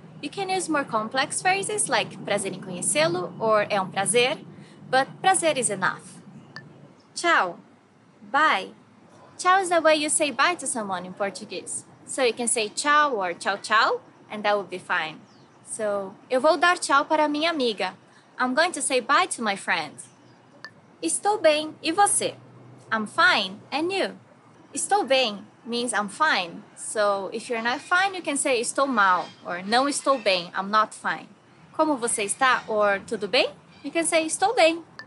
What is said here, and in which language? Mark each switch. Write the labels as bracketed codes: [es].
[en] You can use more complex phrases like [pt] prazer em conhecê-lo [en] or é prazer, but prazer is enough. Tchau. Bye. Tchau is the way you say bye to someone in Portuguese. So you can say tchau or tchau tchau, and that would be fine. [pt] So, eu vou dar tchau para minha amiga. [en] I'm going to say bye to my friend. [pt] Estou bem, e você? [en] I'm fine, and you? Estou bem means I'm fine. So, if you're not fine, you can say [pt] estou mal, [en] or [pt] não estou bem, [en] I'm not fine. [pt] Como você está, or tudo bem? [en] You can say [pt] estou bem.